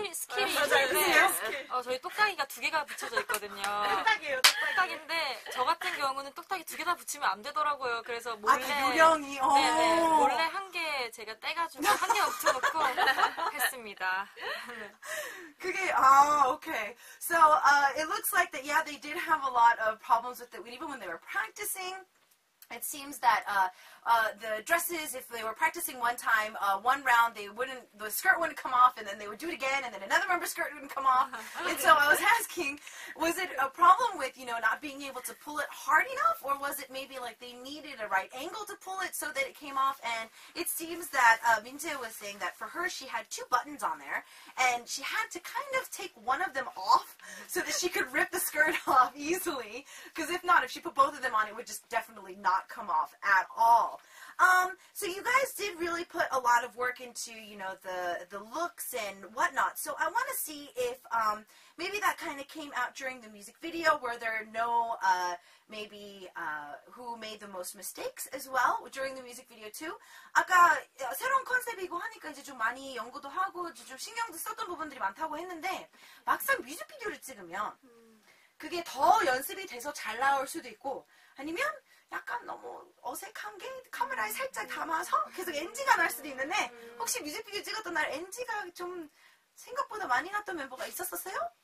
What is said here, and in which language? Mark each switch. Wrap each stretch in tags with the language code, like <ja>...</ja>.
<ko>스킬이 있는데 저희 똑딱이가 두 개가 붙여져 있거든요. 똑딱이에요, 똑딱이. 똑딱인데 저 같은 경우는 똑딱이 두 개 다 붙이면 안 되더라고요. 그래서 몰래 아, 그 요령이 네네, 몰래 한 개 제가 떼가지고 한 개 붙여놓고 했습니다. 그게 아 오케이.</ko> <en>So it looks like that yeah they did have a lot of problems with it even when they were practicing. It seems that the dresses, if they were practicing one time, one round, the skirt wouldn't come off, and then they would do it again, and then another member's skirt wouldn't come off. And so I was asking, was it a problem with, you know, not being able to pull it hard enough, or was it maybe like they needed a right angle to pull it so that it came off? And it seems that Minjae was saying that for her, she had two buttons on there, and she had to kind of take one of them off so that she could rip the skirt off easily, because if not, if she put both of them on, it would just definitely not come off at all. So you guys did really put a lot of work into, you know, the looks and whatnot. So I want to see if maybe that kind of came out during the music video. Were there no, maybe, who made the most mistakes as well during the music video too?</en> <ko>아까 새로운 컨셉이고 하니까 이제 좀 많이 연구도 하고 좀 신경도 썼던 부분들이 많다고 했는데 막상 뮤직비디오를 찍으면 그게 더 연습이 돼서 잘 나올 수도 있고 아니면 약간 너무 어색한 게 카메라에 살짝 담아서 계속 NG가 날 수도 있는데 혹시 뮤직비디오 찍었던 날 NG가 좀 생각보다 많이 났던 멤버가 있었었어요?</ko>